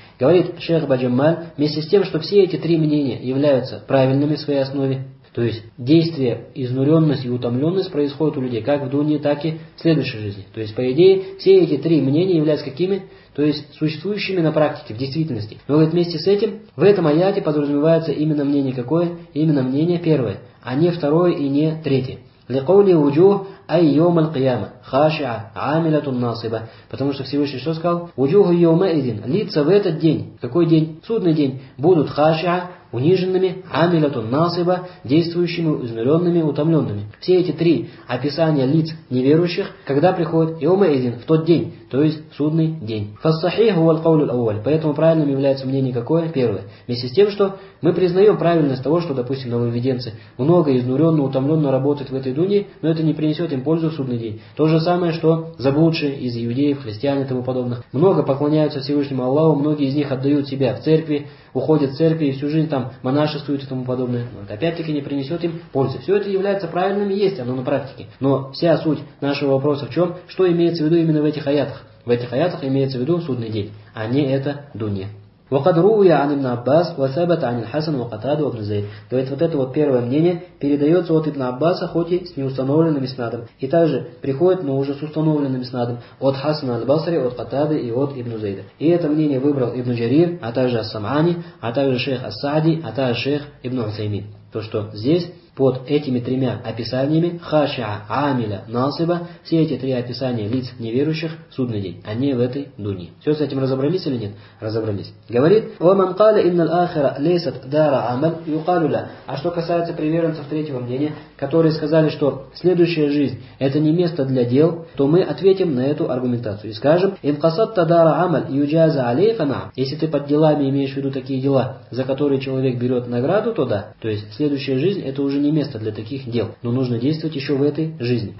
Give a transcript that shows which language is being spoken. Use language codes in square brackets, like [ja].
[ru] Говорит шейх Баджамаль, вместе с тем, что все эти три мнения являются правильными в своей основе, то есть действие, изнуренность и утомленность происходят у людей как в дунии, так и в следующей жизни. То есть, по идее, все эти три мнения являются какими? То есть, существующими на практике, в действительности. Но говорит, вместе с этим, в этом аяте подразумевается именно мнение какое? Именно мнение первое, а не второе и не третье. [ar] لقول وجوه أي يوم القيامة خاشعة عاملة ناصبة. [ru] Потому что Всевышний что сказал? [ar] وجوه يومئذ. [ru] Лица в этот день, какой день? Судный день. Будут خاشعة, униженными, амилату насиба, действующими, изнуренными, утомленными. Все эти три описания лиц неверующих, когда приходит йома изин, в тот день, то есть судный день. [ar] Фассахиху валь каулю ауаль. [ru] Поэтому правильным является мнение какое? Первое. Вместе с тем, что мы признаем правильность того, что, допустим, нововведенцы много изнуренно, утомленно работают в этой дуне, но это не принесет им пользу в судный день. То же самое, что заблудшие из иудеев, христиан и тому подобных. Много поклоняются Всевышнему Аллаху, многие из них отдают себя в церкви, уходят в церкви и всю жизнь там монашествуют и тому подобное. Но это опять-таки не принесет им пользы. Все это является правильным и есть оно на практике. Но вся суть нашего вопроса в чем? Что имеется в виду именно в этих аятах? В этих аятах имеется в виду судный день, а не это дунья. [ar] وقد روي عن ابن عباس وثبت عن الحسن وقتادة وابن زيد. [ru] То есть вот это вот первое мнение передается от ибн Аббаса, хоть и с неустановленным иснадом. И также приходит, но уже с установленным иснадом от Хасана аль-Басри, от Катады и от ибн Зейда. И это мнение выбрал ибн Джарир, а также ас-Самани, а также шейх ас-Саади, а также шейх ибн Усаймин. То что здесь под этими тремя описаниями хашиа, амиля, насиба, все эти три описания лиц неверующих в судный день, а не в этой дуне. Все с этим разобрались или нет? Разобрались. [ar] Говорит, وَمَنْ قَالَ إِنَّ الْآخِرَ لَيْسَتْ دَارَ عَمَلٍ يُقَالُ لَا. [ru] А что касается приверженцев третьего мнения, которые сказали, что следующая жизнь это не место для дел, то мы ответим на эту аргументацию и скажем, [ar] إِنْ قَصَدْتَ دَارَ عَمَلٍ يُجَازَ عَلَيْكَ نَعْ. [ru] Если ты под делами имеешь в виду такие дела, за которые человек берет награду, то да. То есть следующая жизнь это уже не место для таких дел, но нужно действовать еще в этой жизни.